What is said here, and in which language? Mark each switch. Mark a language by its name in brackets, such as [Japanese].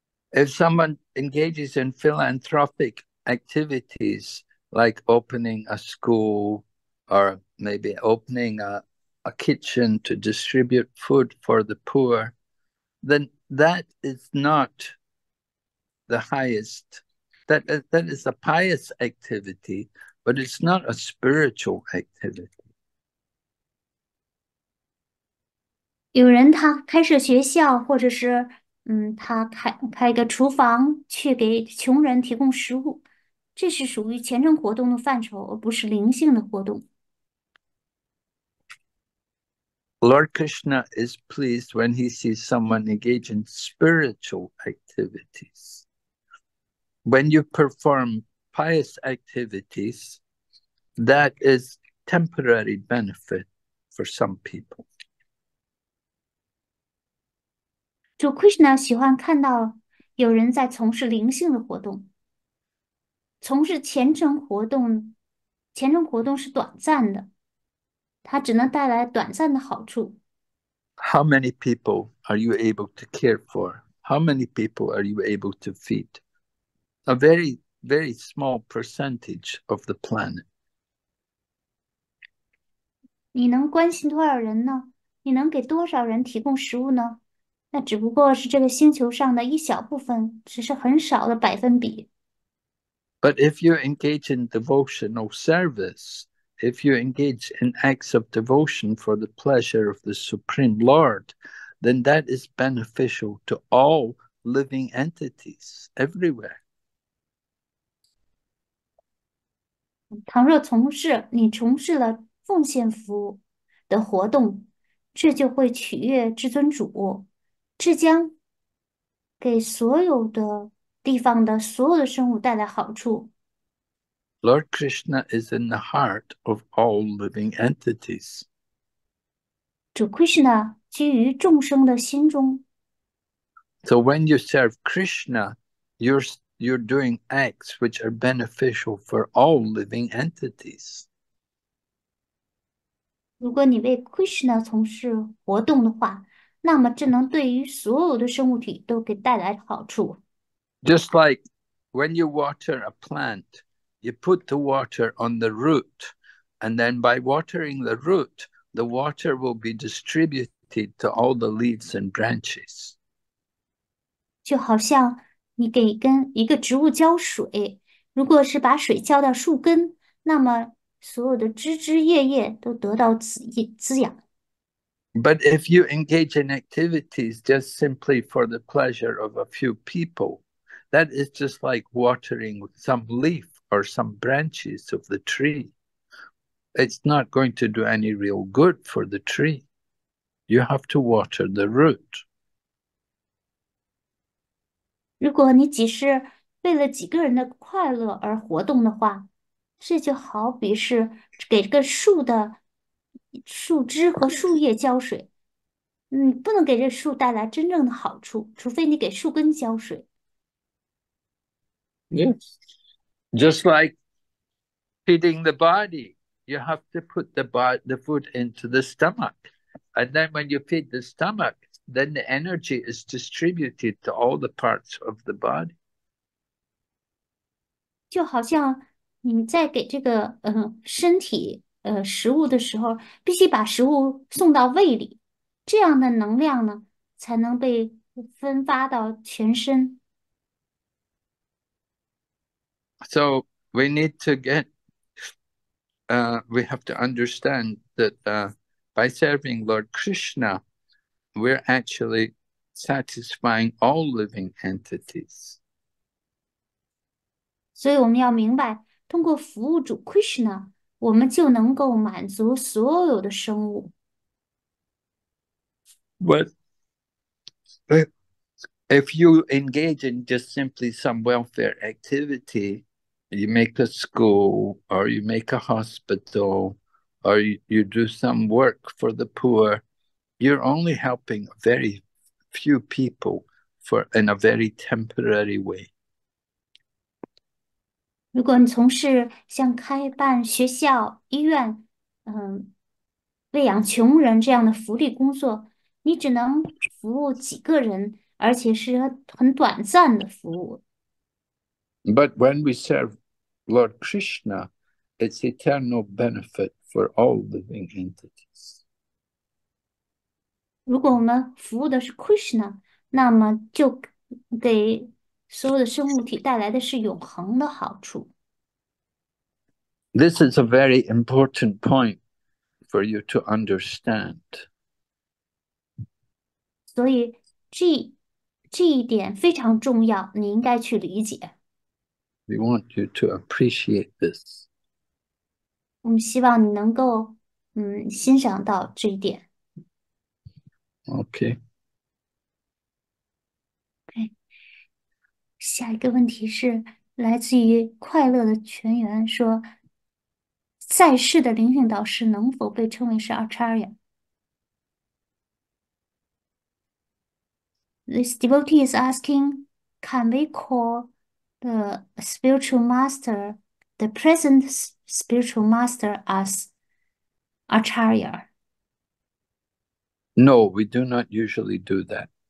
[English] If someone engages in philanthropic activities like opening a school or maybe opening a kitchen to distribute food for the poor, then that is not the highest. That is a pious activity, but it's not a spiritual activity. [Chinese] 有人他开设学校，或者是他开一个厨房去给穷人提供食物，这是属于虔诚活动的范畴，而不是灵性的活动。 [English] Lord Krishna is pleased when he sees someone engage in spiritual activities. When you perform pious activities, that is temporary benefit for some people. [Chinese] 主 Krishna 喜欢看到有人在从事灵性的活动，从事虔诚活动，虔诚活动是短暂的，它只能带来短暂的好处。 [English] How many people are you able to care for? How many people are you able to feed? A very, very small percentage of the planet. [Chinese] 你能关心多少人呢？你能给多少人提供食物呢？那只不过是这个星球上的一小部分，只是很少的百分比。 [English] But if you engage in devotional service, if you engage in acts of devotion for the pleasure of the Supreme Lord, then that is beneficial to all living entities everywhere. [Chinese] 倘若从事了奉献服务的活动，这就会取悦至尊主。这将给所有的地方的所有的生物带来好处。 [English] Lord Krishna is in the heart of all living entities. [Chinese] 主 Krishna 居于众生的心中。 [English] So when you serve Krishna, you're doing acts which are beneficial for all living entities. [Chinese] 如果你为 Krishna 从事活动的话，那么，这能对于所有的生物体都给带来好处。 [English] Just like when you water a plant, you put the water on the root, and then by watering the root, the water will be distributed to all the leaves and branches. [Chinese] 就好像你给一个植物浇水，如果是把水浇到树根，那么所有的枝枝叶叶都得到滋养。 [English] But if you engage in activities just simply for the pleasure of a few people, that is just like watering some leaf or some branches of the tree. It's not going to do any real good for the tree. You have to water the root. [Chinese] 如果你只是为了几个人的快乐而活动的话，这就好比是给个树的树枝和树叶浇水，你不能给这树带来真正的好处，除非你给树根浇水。 [English] Yes. Just like feeding the body, you have to put the food into the stomach. And then when you feed the stomach, then the energy is distributed to all the parts of the body. [Chinese] 就好像你在给这个身体食物的时候，必须把食物送到胃里，这样的能量呢，才能被分发到全身。 [English] So we need to get, we have to understand that by serving Lord Krishna, we're actually satisfying all living entities. [Chinese] 所以我们要明白，通过服务主 Krishna，我们就能够满足所有的生物。 [English] But if you engage in just simply some welfare activity, you make a school, or you make a hospital, or you do some work for the poor, you're only helping very few people for in a very temporary way. [Chinese] 如果你从事像开办学校、医院，喂养穷人这样的福利工作，你只能服务几个人，而且是很短暂的服务。 [English] But when we serve Lord Krishna, it's eternal benefit for all living entities. [Chinese] 如果我们服务的是 Krishna，那么就给所有的生物体带来的是永恒的好处。 [English] This is a very important point for you to understand. [Chinese] 所以这一点非常重要，你应该去理解。 [English] We want you to appreciate this. [Chinese] 我们希望你能够欣赏到这一点。 [English] Okay. [Chinese] 下一个问题是来自于快乐的泉源说，在世的灵性导师能否被称为是二叉元？ [English] This devotee is asking, can we call the spiritual master, the present spiritual master, as Acharya? No, we do not usually do that.